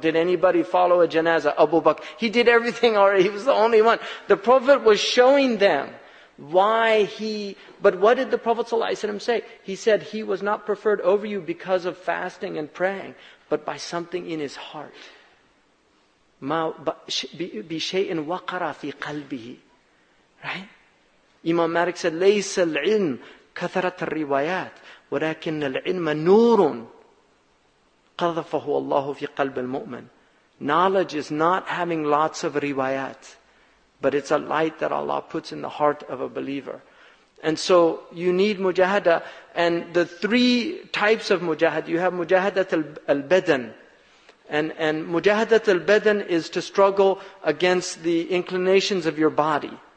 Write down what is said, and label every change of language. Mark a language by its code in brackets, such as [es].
[en] Did anybody follow a janazah? Abu Bakr. He did everything already. He was the only one. The Prophet was showing them why he... But what did the Prophet ﷺ say? He said he was not preferred over you because of fasting and praying, but by something in his heart. [ar] بِشَيْءٍ وَقَرَ فِي قَلْبِهِ. [en] Right? Imam Malik said, [ar] لَيْسَ الْعِلْمِ كثرة الروايات، ولكن العلم نور قذفه الله في قلب المؤمن. [en] Knowledge is not having lots of riwayat, but it's a light that Allah puts in the heart of a believer. And so you need mujahada. And the three types of mujahada, you have mujahada al-badan. And mujahada al-badan is to struggle against the inclinations of your body.